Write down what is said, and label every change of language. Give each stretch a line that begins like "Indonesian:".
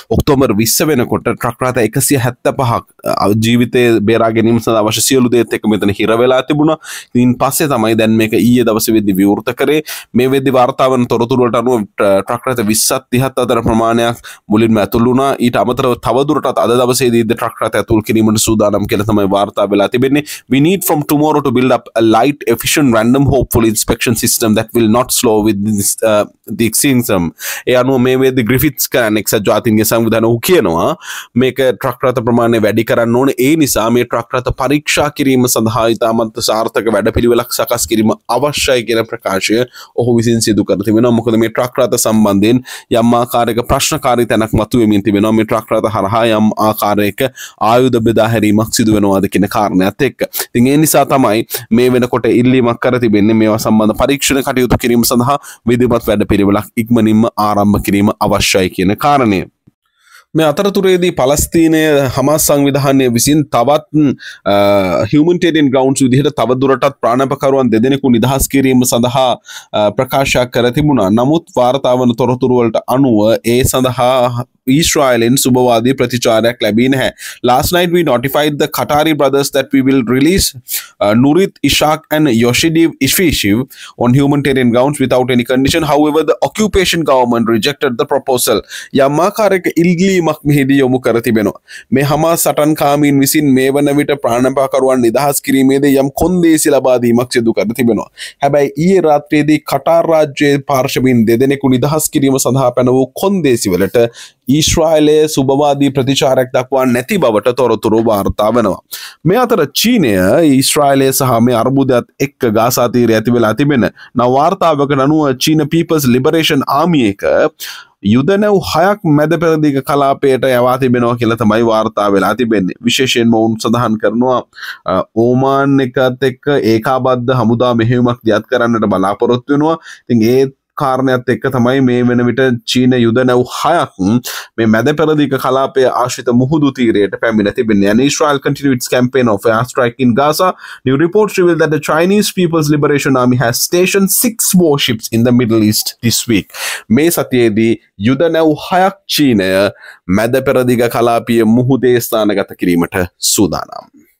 Sinhala: October 20 වෙනකොට truck රථ 175ක් ජීවිතේ බේරා ගැනීම සඳහා අවශ්‍ය සියලු දේත් එක්ක මෙතන හිර වෙලා තිබුණා. ඉන් පස්සේ තමයි දැන් මේක ඊයේ දවසේ වෙද්දි විවෘත කරේ. මේ වෙද්දි වාර්තා වන තොරතුරු වලට අනුව ට්‍රක් රථ 20ත් 30ත් අතර ප්‍රමාණයක් මුලින්ම ඇතුල් වුණා. ඊට අමතරව තවදුරටත් අද දවසේදීද ට්‍රක් රථ ඇතුල් කිරීමට සූදානම් කියලා තමයි වාර්තා වෙලා තිබෙන්නේ.
English: We need from tomorrow to build up a light, efficient, random, hopeful inspection system that will not slow with this, the extinction.
Sinhala: ඒ අනුව මේ වේදී ග්‍රිෆිත්ස් කරන එක්සත් ජාතීන්ගේ සංවිධාන ඔහු කියනවා මේක ට්‍රක් රථ ප්‍රමාණය වැඩි කරන්න ඕනේ. ඒ නිසා මේ ට්‍රක් රථ පරීක්ෂා කිරීම සඳහා ඉතාමත් සාර්ථක වැඩපිළිවෙලක් සකස් කිරීම අවශ්‍යයි කියන ප්‍රකාශය ඔහු විසින් සිදු කර තිබෙනවා. මොකද මේ ට්‍රක් රථ සම්බන්ධයෙන් යම් ආකාරයක ප්‍රශ්නකාරී තැනක් මතුවෙමින් තිබෙනවා. මේ ට්‍රක් රථ හරහා යම් ආකාරයක ආයුධ බෙදා හැරීමක් සිදු වෙනවාද කියන කාරණයත් එක්ක. ඉතින් ඒ නිසා තමයි මේ වෙනකොට ඉල්ලීමක් කර තිබෙන්නේ මේවා සම්බන්ධ පරීක්ෂණ කටයුතු කිරීම සඳහා විධිමත් වැඩපිළිවෙලක් ඉක්මනින්ම ආරම්භ කිරීම අවශ්‍යයි කියන කාරණය. මේ අතරතුරේදී පලස්තීනයේ හමාස් සංවිධානය විසින් තවත් හියුමනිටේරියන් ග්‍රවුන්ඩ්ස් විදිහට තවදුරටත් ප්‍රාණපකරුවන් දෙදෙනෙකු නිදහස් කිරීම සඳහා ප්‍රකාශ කර තිබුණා. නමුත් වාර්තාවන තොරතුරු වලට අනුව ඒ සඳහා ඊශ්‍රායලෙන් සුබවාදී ප්‍රතිචාරයක් ලැබී නැහැ.
English: Last night we notified the Qatari brothers that we will release Nurit Ishaq and Yoshidiv Ishvishiv on humanitarian grounds without any condition. However, the occupation government rejected the proposal.
Sinhala: යම්මාකාරයක ඉල්ලීමක් මෙහිදී යොමු කර තිබෙනවා. මේ හමා සටන්කාමීන් විසින් මේ වන විට ප්‍රාණපකරුවන් නිදහස් කිරීමේදී යම් කොන්දේසි ලබා දීමක් සිදු කර තිබෙනවා. හැබැයි ඊයේ රාත්‍රියේදී කටාර් රාජ්‍යයේ පාර්ශවයෙන් දෙදෙනෙකු නිදහස් කිරීම සඳහා පැන වූ කොන්දේසි වලට ඊශ්‍රායලයේ සුබවාදී ප්‍රතිචාරයක් දක්වා නැති බවට තොරතුරු වාර්තා වෙනවා. මේ අතර චීනය ඊශ්‍රායලයේ සහ මේ අර්බුදයත් එක්ක ගාසා තීරය ඇති වෙලා තිබෙන නව වාර්තාවකට අනුව චීන පීපල්ස් ලිබරේෂන් ආමිය එක යුදනව් හයක් මැද පෙරදිග කලාපයට යවා තිබෙනවා කියලා තමයි වාර්තා වෙලා තිබෙන්නේ. විශේෂයෙන්ම ඔවුන් සඳහන් කරනවා ඕමාන් එකත් එක්ක ඒකාබද්ධ හමුදා මෙහෙයුමක් දියත් කරන්නට බලාපොරොත්තු වෙනවා. ඉතින් ඒ කාරණයක් එක්ක තමයි මේ වෙන විට චීන යුද නැව් හයක් මේ මැද පෙරදිග කලාපයේ ආශ්‍රිත මුහුදු තීරයට පැමිණ තිබෙන්නේ.
English: යන Israel continued campaign of air strike in Gaza. New reports reveal that the Chinese People's Liberation Army has stationed 6 warships in the Middle East this week.
Sinhala: මේ සතියේදී යුද නැව් හයක් චීනය මැද පෙරදිග කලාපයේ මුහුදේ ස්ථානගත කිරීමට සූදානම්.